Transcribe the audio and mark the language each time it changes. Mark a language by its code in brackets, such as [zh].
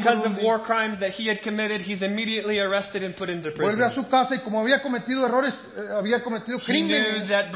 [en] Burundi. And because of war crimes that he had committed, he's immediately arrested and put into prison. [es] A su casa y como había cometido errores, había cometido crímenes.